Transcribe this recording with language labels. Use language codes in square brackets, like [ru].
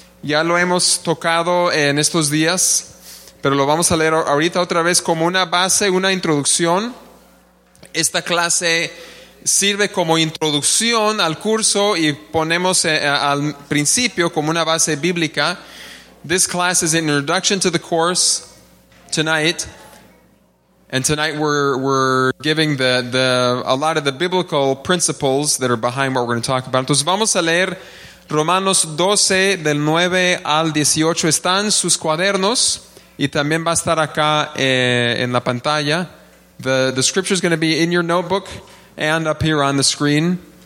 [es] Ya lo hemos tocado en estos días, pero lo vamos a leer ahorita otra vez como una base, una introducción. Esta clase sirve como introducción al curso y ponemos al principio como una base bíblica. [en] This class is an introduction to the course tonight. And tonight we're giving the a lot of the biblical principles that are behind what we're going to talk about. [es] Entonces vamos a leer Romanos 12 del 9 al 18. Están sus cuadernos y también va a estar acá en la pantalla. [en] The scripture is going to be in your notebook and up here on the screen.